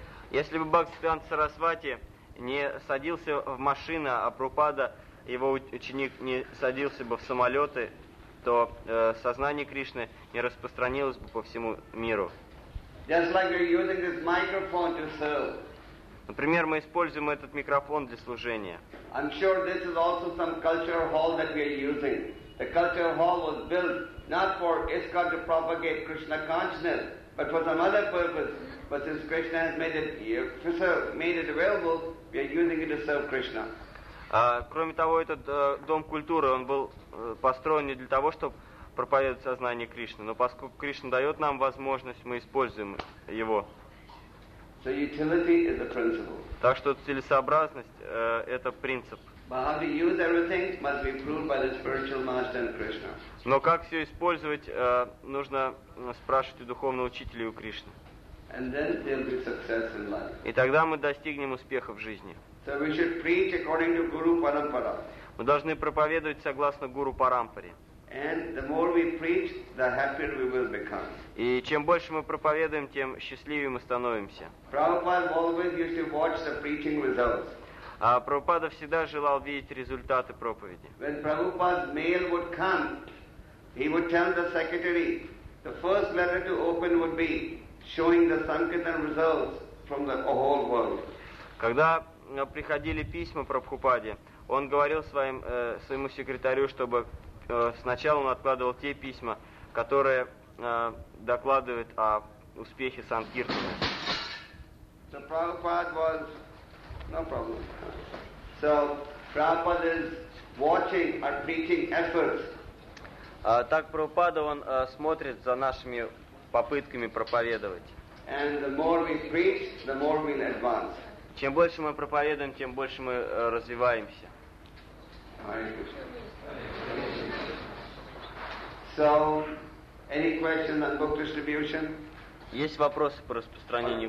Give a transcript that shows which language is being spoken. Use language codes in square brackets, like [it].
[ru] Если бы Бхакти Сиддханта Сарасвати не садился в машину, а Прабхупада, его ученик, не садился бы в самолеты, то сознание Кришны не распространилось бы по всему миру. [en] Just like you're using this microphone to serve. [ru] Например, мы используем этот микрофон для служения. [en] I'm sure this is also some cultural hall that we are using. The cultural hall was built not for ISKCON to propagate Krishna consciousness, but for some other purpose. But since Krishna has made it available, we are using it to serve Krishna. [ru] Кроме того, этот дом культуры, он был построен не для того, чтобы проповедовать сознание Кришны, но поскольку Кришна дает нам возможность, мы используем его. [en] So utility is the principle. [ru] Так что целесообразность – это принцип. [en] But how to use everything must be proved by the spiritual master and Krishna. [ru] Но как все использовать, нужно спрашивать у духовного учителя и у Кришны. [en] And then there'll be success in life. [ru] И тогда мы достигнем успеха в жизни. [en] So we should preach according to Guru Parampara. [ru] Мы должны проповедовать согласно Гуру Парампаре. [en] And the more we preach, the happier we will become. [ru] И чем больше мы проповедуем, тем счастливее мы становимся. [en] Prabhupada always used to watch the preaching results. [ru] А Прабхупада всегда желал видеть результаты проповеди. [en] When Prabhupada's mail would come, he would tell the secretary, the first letter to open would be showing the Sankirtan results from the whole world. [ru] Когда приходили письма Прабхупаде, он говорил своему секретарю, чтобы сначала он откладывал те письма, которые докладывают о успехе Санкиртана. [en] So Prabhupada was no problem. So Prabhupada is watching our preaching efforts. [ru] Так Прабхупада он смотрит за нашими попытками проповедовать. [en] And the more we preach, the more we advance. [ru] Чем больше мы проповедуем, тем больше мы развиваемся. [en] So, any question on book distribution? [ru] Есть вопросы по распространению?